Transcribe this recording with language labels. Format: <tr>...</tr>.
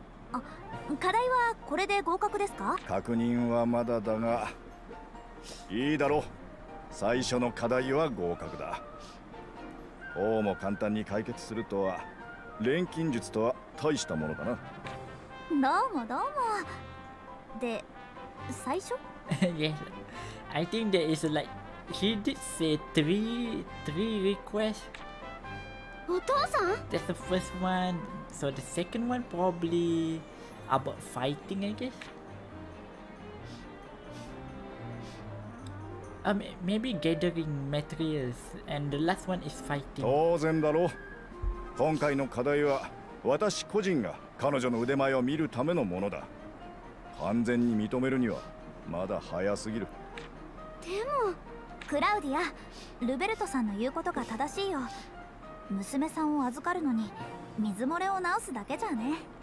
<ja>あ、課題はこれで合格ですか？確認はまだだが、いいだろう。最初の課題は合格だ。こうも簡単に解決するとは、錬金術とは大したものだな。どうもどうも。で、最初？</ja> <en>Yes, I think there is like he did say three requests.</en> <ja>お父さん？</ja> <en>That's the first one. So the second one probably about fighting, I guess. Maybe gathering materials, and the last one is fighting.</en> <ja>当然だろう。今回の課題は私個人が彼女の腕前を見るためのものだ。完全に認めるにはまだ早すぎる。でも、クラウディア、ルベルトさんの言うことが正しいよ。娘さんを預かるのに。水漏れを直すだけじゃね。</ja>